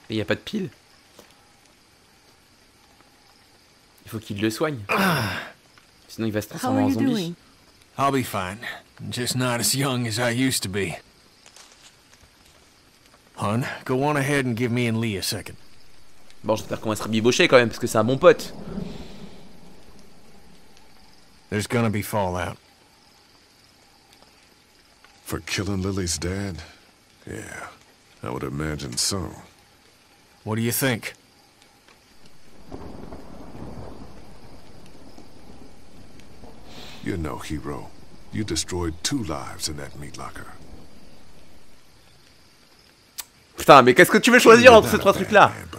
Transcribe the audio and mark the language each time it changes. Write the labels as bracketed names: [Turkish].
[French] Il y a pas de pile. Il faut qu'il le soigne. Sinon il va se transformer en zombie. [English] I'll be fine. Just not as young as I used to be. Hon, go on ahead and give me and Lee a second. [French] Bon, j'espère qu'on va se rabibocher quand même, parce que c'est un bon pote. [English] There's gonna be fallout. For killing Lily's dad? Yeah, I would imagine so. What do you think? You're no hero. You destroyed two lives in that meat locker. [French] Putain, mais qu'est-ce que tu veux choisir entre ces trois trucs-là?